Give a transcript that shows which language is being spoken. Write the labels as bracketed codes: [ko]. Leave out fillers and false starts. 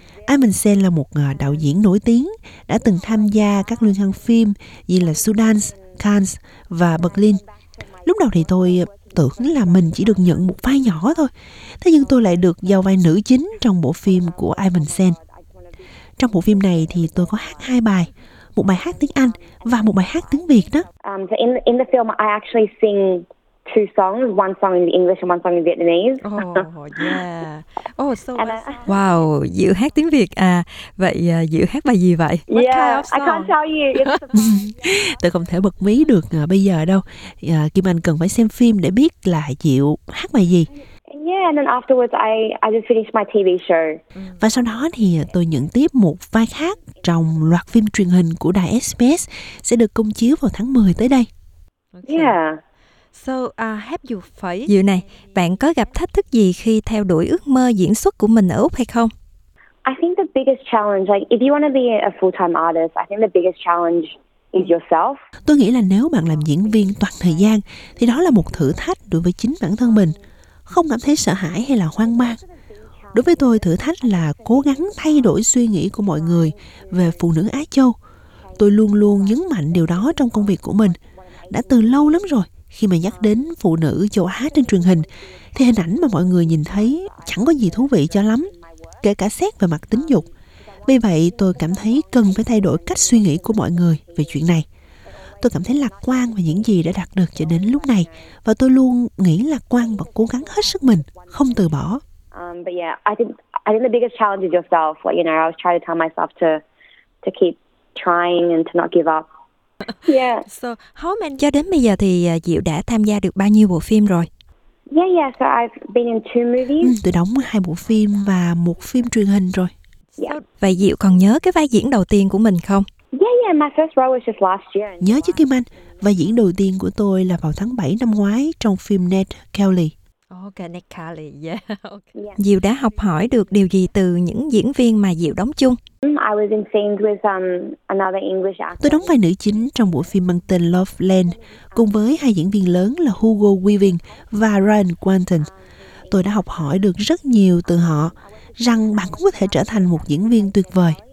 [vi] Ivan Sen là một đạo diễn nổi tiếng, đã từng tham gia các liên hoan phim như là Sundance, Cannes và Berlin. Lúc đầu thì tôi tưởng là mình chỉ được nhận một vai nhỏ thôi, thế nhưng tôi lại được giao vai nữ chính trong bộ phim của Ivan Sen. Trong bộ phim này thì tôi có hát 2 bài, một bài hát tiếng Anh và một bài hát tiếng Việt đó. [en] In the film, I actually sing 2 songs, one song in English and one song in Vietnamese. Oh, yeah. Oh, so awesome. [vi] Wow, Diệu hát tiếng Việt à? Vậy Diệu hát bài gì vậy? [en] Yeah, I can't tell you. [vi] Tôi không thể bật mí được bây giờ đâu. Kim Anh cần phải xem phim để biết là Diệu hát bài gì. [en] Yeah, and then afterwards I just finished my TV show. [vi] Và sau đó thì tôi nhận tiếp một vai khác trong loạt phim truyền hình của đài SBS sẽ được công chiếu vào tháng 10 tới đây. [en] Okay. Yeah. So, have you faced... [vi] Diệu này, bạn có gặp thách thức gì khi theo đuổi ước mơ diễn xuất của mình ở Úc hay không? [en] I think the biggest challenge, like if you want to be a full-time artist, I think the biggest challenge is yourself. [vi] Tôi nghĩ là nếu bạn làm diễn viên toàn thời gian, thì đó là một thử thách đối với chính bản thân mình. Không cảm thấy sợ hãi hay là hoang mang. Đối với tôi, thử thách là cố gắng thay đổi suy nghĩ của mọi người về phụ nữ Á Châu. Tôi luôn luôn nhấn mạnh điều đó trong công việc của mình. Đã từ lâu lắm rồi, khi mà nhắc đến phụ nữ châu Á trên truyền hình, thì hình ảnh mà mọi người nhìn thấy chẳng có gì thú vị cho lắm, kể cả xét về mặt tính dục. Vì vậy, tôi cảm thấy cần phải thay đổi cách suy nghĩ của mọi người về chuyện này. Tôi cảm thấy lạc quan về những gì đã đạt được cho đến lúc này, và tôi luôn nghĩ lạc quan và cố gắng hết sức mình, không từ bỏ. [en] But yeah, I think the biggest challenge is yourself. Like, you know, I was trying to tell myself to keep trying and to not give up. Yeah. So, how many? [vi] Cho đến bây giờ thì Diệu đã tham gia được bao nhiêu bộ phim rồi? [en] Yeah. So I've been in 2 movies. [vi] Tôi đóng 2 bộ phim và một phim truyền hình rồi. [en] Yeah. [vi] Vậy Diệu còn nhớ cái vai diễn đầu tiên của mình không? [en] Yeah. My first role was just last year. [vi] Nhớ chứ Kim Anh. Vai diễn đầu tiên của tôi là vào tháng 7 năm ngoái trong phim Ned Kelly. [en] Okay, Ned Kelly. Yeah. Okay. [vi] Diệu đã học hỏi được điều gì từ những diễn viên mà Diệu đóng chung? [en] I was in scenes with another English actor. [vi] Tôi đóng vai nữ chính trong bộ phim mang tên Love Land cùng với 2 diễn viên lớn là Hugo Weaving và Ryan Quanten. Tôi đã học hỏi được rất nhiều từ họ rằng bạn cũng có thể trở thành một diễn viên tuyệt vời.